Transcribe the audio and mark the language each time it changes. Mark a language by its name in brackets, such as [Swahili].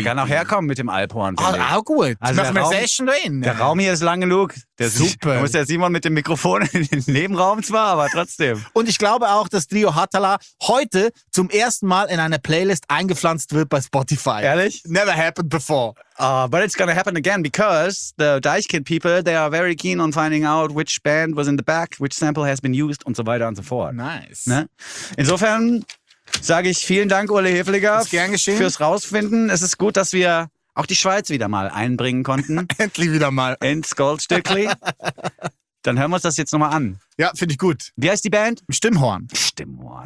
[German] Ich kann auch herkommen mit dem Alphorn. Ah, auch gut. Also machen wir eine Session drin. Der Raum hier ist lang genug. Der Super. Da muss der Simon mit dem Mikrofon in den Nebenraum zwar, aber trotzdem. Und ich glaube auch, dass Trio Hatala heute zum ersten Mal in eine Playlist eingepflanzt wird bei Spotify. Ehrlich? [English] Never happened before. But it's gonna happen again, because the Deichkind people, they are very keen on finding out which band was in the back, which sample has been used [German] und so weiter und so fort. [English] Nice. [German] Ne? Insofern sage ich vielen Dank, Ulle Hefliger, fürs Rausfinden. Es ist gut, dass wir auch die Schweiz wieder mal einbringen konnten. Endlich wieder mal. Ins Goldstückli. Dann hören wir uns das jetzt nochmal an. Ja, finde ich gut. Wie heißt die Band? Stimmhorn. Stimmhorn.